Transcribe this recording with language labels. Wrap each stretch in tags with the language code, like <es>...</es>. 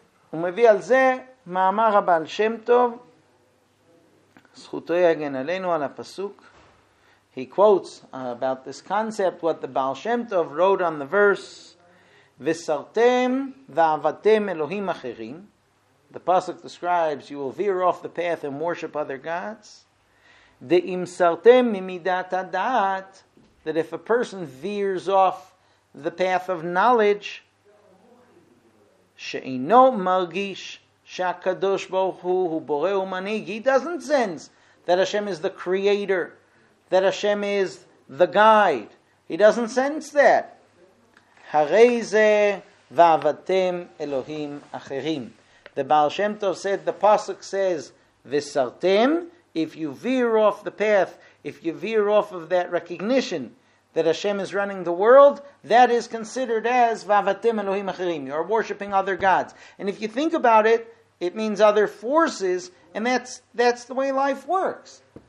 <he>הוא מביא על זה מאמר הבעל שם טוב, זכותו יגן עלינו על הפסוק.</he> <en>He quotes about this concept, what the Baal Shem Tov wrote on the verse,</en> <he>וסרתם ועבדתם אלוהים אחרים.</he> <en>The pasuk describes, you will veer off the path and worship other gods.</en> <he>דאם סרתם ממידת הדעת,</he> <en>that if a person veers off the path of knowledge,</en> <he>שאינו מרגיש שהקדוש ברוך הוא הוא בורא ומנהיג,</he> <en>he doesn't sense that Hashem is the creator, that Hashem is the guide. He doesn't sense that.</en> <he>הרי זה ועבדתם אלוהים אחרים.</he> <en>The Baal Shem Tov said, the pasuk says,</en> <he>וסרתם,</he> <en>if you veer off the path, if you veer off of that recognition that Hashem is running the world, that is considered as</en> <he>Vavatim Elohim Achirim.</he> <en>You are worshipping other gods. And if you think about it, it means other forces, and that's the way life works.</en>